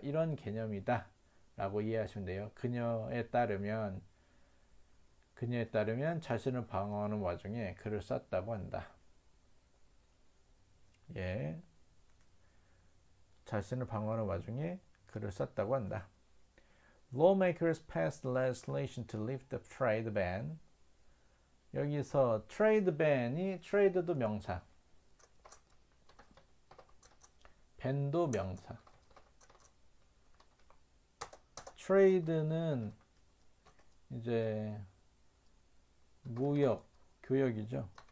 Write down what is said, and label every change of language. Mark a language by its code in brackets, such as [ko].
[ko] 이런 개념이다 라고 이해하시면 돼요. 그녀에 따르면 자신을 방어하는 와중에 그를 쐈다고 한다. 예. 자신을 방어하는 와중에 그를 쐈다고 한다. [en] Lawmakers passed legislation to lift the trade ban. [ko] 여기서 trade ban이 trade도 명사. ban도 명사. trade는 이제 무역, 교역이죠.